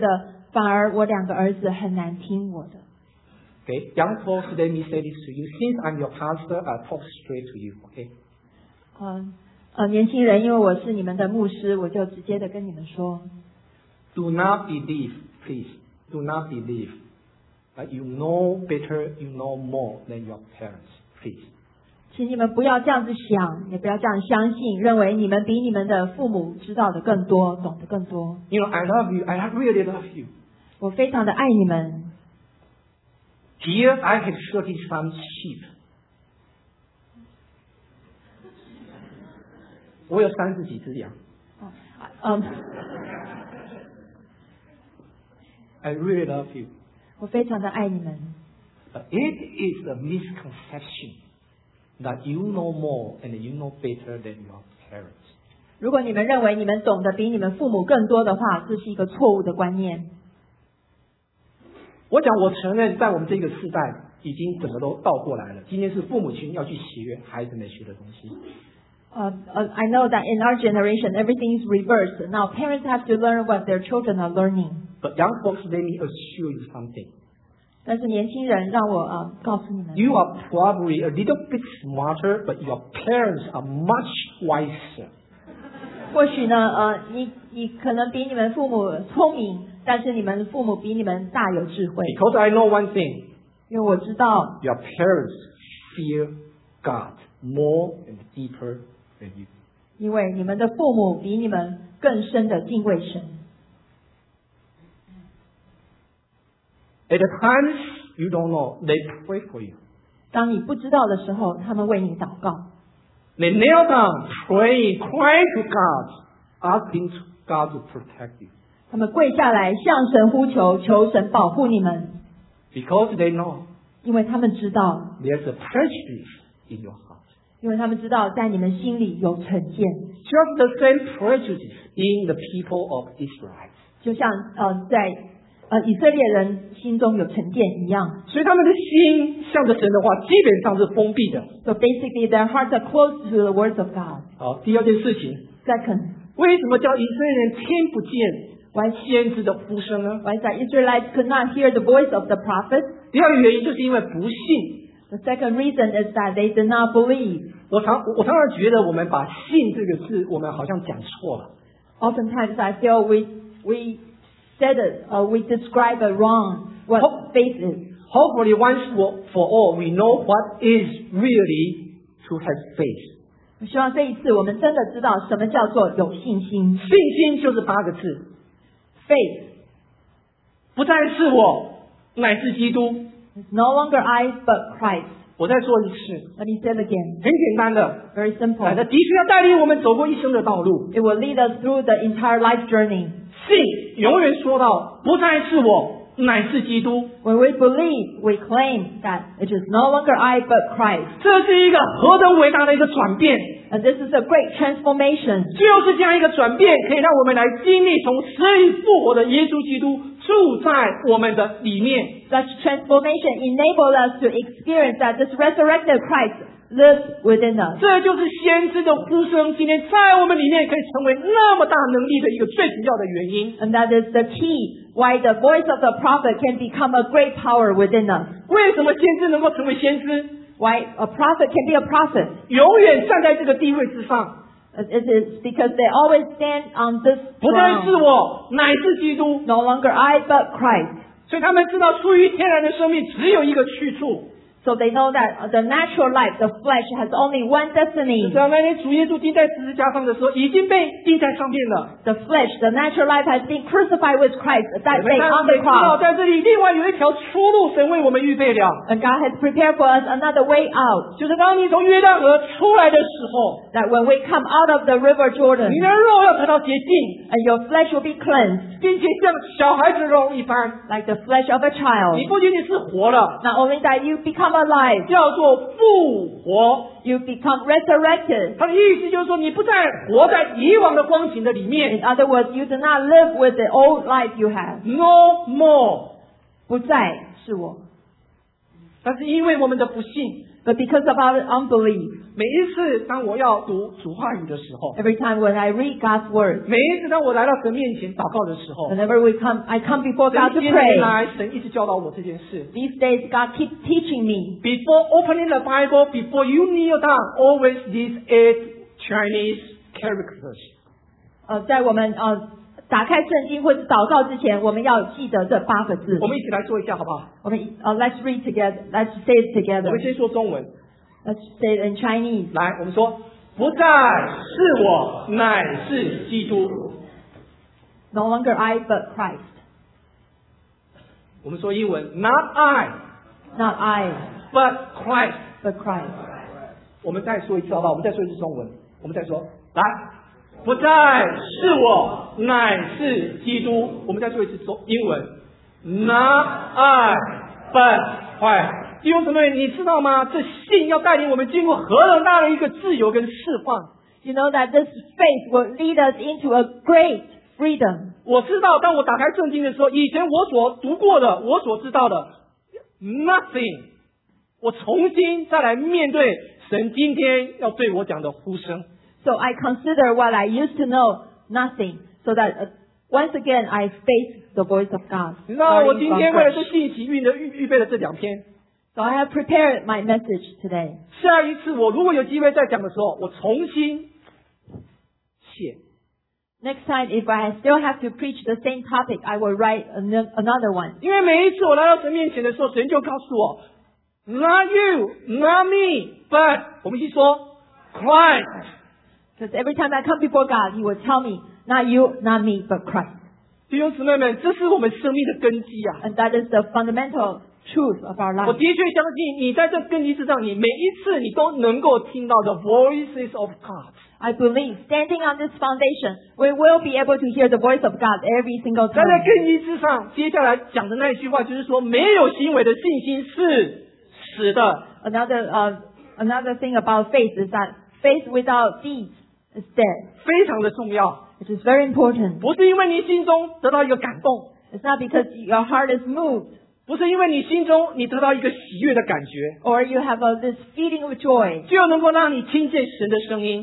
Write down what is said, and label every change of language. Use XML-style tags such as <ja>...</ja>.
<zh>但有的时候呢，我会觉得反而我两个儿子很难听我的。</zh> <en>Okay, young folks, let me say this to you. Since I'm your pastor, I'll talk straight to you. Okay.</en> <zh>年轻人，因为我是你们的牧师，我就直接的跟你们说。</zh> <en>Do not believe, please. Do not believe that you know better, you know more than your parents, please.</en> <zh>请你们不要这样子想，也不要这样相信，认为你们比你们的父母知道的更多，懂得更多。</zh> <en>You know, I love you. I really love you.</en> <zh>我非常的爱你们。</zh> <en>Here I have 30 some sheep.</en> <zh>我有三十几只羊。</zh> <en>I really love you.</en> <zh>我非常的爱你们。</zh> <en>But it is a misconception that you know more and you know better than your parents.</en> <zh>如果你们认为你们懂得比你们父母更多的话，这是一个错误的观念。我讲，我承认，在我们这个时代，已经整个都倒过来了。今天是父母亲要去学孩子们学的东西。</zh> <en>I know that in our generation, everything is reversed. Now parents have to learn what their children are learning. But young folks, let me assure you something.</en> <zh>但是年轻人，让我 告诉你们。</zh> <en>You are probably a little bit smarter, but your parents are much wiser.</en> <zh>或许呢， 你可能比你们父母聪明。但是你们父母比你们大有智慧。</zh> <en>Because I know one thing.</en> <zh>因为我知道,</zh> <en>your parents fear God more and deeper than you.</en> <zh>因为你们的父母比你们更深的敬畏神。</zh> <en>At times you don't know, they pray for you.</en> <zh>当你不知道的时候, 他们为你祷告。</zh> <en>They kneel down, pray, cry to God, asking God to protect you.</en> <zh>他们跪下来向神呼求，求神保护你们。</zh> <en>Because they know.</en> <zh>因为他们知道。</zh> <en>There's a prejudice in your heart.</en> <zh>因为他们知道在你们心里有成见。</zh> <en>Just the same prejudice in the people of Israel.</en> <zh>就像 在 以色列人心中有成见一样。所以他们的心向着神的话，基本上是封闭的。</zh> <en>So basically, their hearts are closed to the words of God.</en> <zh>好，第二件事情。</zh> <en>Second.</en> <zh>为什么叫以色列人听不见？</zh> <en>Why,</en> <zh>先知的呼声呢?</zh> <en>Why is that Israelites could not hear the voice of the prophet?</en> <zh>第二个原因就是因为不信。</zh> <en>The second reason is that they did not believe.</en> <zh>我常常觉得我们把信这个字, 我们好像讲错了。</zh> <en>Oftentimes I feel we said it, or we describe it wrong, what faith is. Hopefully once for all, we know what is really to have faith.</en> <zh>我希望这一次我们真的知道什么叫做有信心。信心就是八个字。</zh> <en>Faith,</en> <zh>不再是我, 乃是基督。</zh> <en>It's no longer I, but Christ.</en> <zh>我再说一次。</zh> <en>Let me say it again.</en> <zh>很简单的。</zh> <en>Very simple.</en> <zh>的确要带领我们走过一生的道路。</zh> <en>It will lead us through the entire life journey.</en> <zh>信永远说到不再是我,乃是基督。</zh> <en>When we believe, we claim that it is no longer I but Christ.</en> <zh>这是一个何等伟大的一个转变。</zh> <en>And this is a great transformation.</en> <zh>就是这样一个转变，可以让我们来经历从死里复活的耶稣基督住在我们的里面。</zh> <en>Such transformation enables us to experience that this resurrected Christ lives within us.</en> <zh>这就是先知的呼声，今天在我们里面可以成为那么大能力的一个最主要的原因。</zh> <en>And that is the key why the voice of the prophet can become a great power within us.</en> <zh>为什么先知能够成为先知？</zh> <en>Why a prophet can be a prophet?</en> <zh>永远站在这个地位之上。</zh> <en>It is because they always stand on this ground.</en> <zh>不再是我，乃是基督。</zh> <en>No longer I, but Christ.</en> <zh>所以他们知道出于天然的生命只有一个去处。</zh> <en>So they know that the natural life, the flesh, has only one destiny.</en> <zh>就像那天主耶稣钉在十字架上的时候，已经被钉在上面了。</zh> <en>The flesh, the natural life, has been crucified with Christ that day on the cross.</en> <zh>我们知道在这里另外有一条出路，神为我们预备了。</zh> <en>And God has prepared for us another way out.</en> <zh>就是当你从约旦河出来的时候</zh> <en>，that when we come out of the river Jordan,</en> <zh>你的肉要得到洁净</zh> <en>，and your flesh will be cleansed.</en> <zh>并且像小孩子肉一般</zh> <en>，like the flesh of a child.</en> <zh>你不仅仅是活了</zh> <en>，not only that you become alive,</en> <zh>叫做复活。</zh> <en>You become resurrected.</en> <zh>他的意思就是说，你不再活在以往的光景的里面。</zh> <en>In other words, you do not live with the old life you have. No more,</en> <zh>不再是我。但是因为我们的不信</zh> <en>，but because of our unbelief.</en> <zh>每一次当我要读主话语的时候</zh> <en>，every time when I read God's word.</en> <zh>每一次当我来到神面前祷告的时候</zh> <en>，whenever we come, I come before God to pray.</en> <zh>神一直教导我这件事。</zh> <en>These days, God keep teaching me. Before opening the Bible, before you kneel down, always these eight Chinese characters.</en> <zh>在我们打开圣经或者祷告之前，我们要记得这八个字。我们一起来做一下，好不好？</zh> <en>我们let's read together, let's say it together.</en> <zh>我们先说中文。</zh> <en>Let's say it in Chinese.</en> <zh>来，我们说，不再是我，乃是基督。</zh> <en>No longer I, but Christ.</en> <zh>我们说英文 ，</zh> <en>Not I, not I, but Christ, but Christ.</en> <zh>我们再说一次，好不好？我们再说一次中文。我们再说，来。不再是我，乃是基督。我们再说一次英文 ，</zh> <en>Not I, but Christ。</en> <zh>弟兄姊妹，你知道吗？这信要带领我们经过何等大的一个自由跟释放</zh> <en>？You know that this faith will lead us into a great freedom。</en> <zh>我知道，当我打开圣经的时候，以前我所读过的，我所知道的 ，</zh> <en>nothing。</en> <zh>我重新再来面对神今天要对我讲的呼声。</zh> <en>So I consider what I used to know nothing, so that once again I face the voice of God.</en> <zh>那我今天为了这信息预备了这两篇。</zh> <en>So I have prepared my message today.</en> <zh>下一次我如果有机会再讲的时候，我重新写。</zh> <en>Next time, if I still have to preach the same topic, I will write another one.</en> <zh>因为每一次我来到神面前的时候，神就告诉我 ，</zh> <en>Not you, not me, but</en> <zh>我们一起说 Christ.</zh> <en>Because every time I come before God, He will tell me, not you, not me, but Christ.</en> <zh>弟兄姊妹们，这是我们生命的根基啊。</zh> <en>And that is the fundamental truth of our life.</en> <zh>我的确相信你在这根基之上，你每一次你都能够听到</zh> <en>the voices of God. I believe standing on this foundation, we will be able to hear the voice of God every single time.</en> <zh>在根基之上，接下来讲的那一句话就是说，没有行为的信心是死的。</zh> <en>Another thing about faith is that faith without deeds.</en> <zh>非常的重要</zh> <en>It is very important.</en> <zh>不是因为你心中得到一个感动</zh> <en>It's not because your heart is moved.</en> <zh>不是因为你心中你得到一个喜悦的感觉</zh> <en>Or you have this feeling of joy.</en> <zh>就能够让你听见神的声音</zh>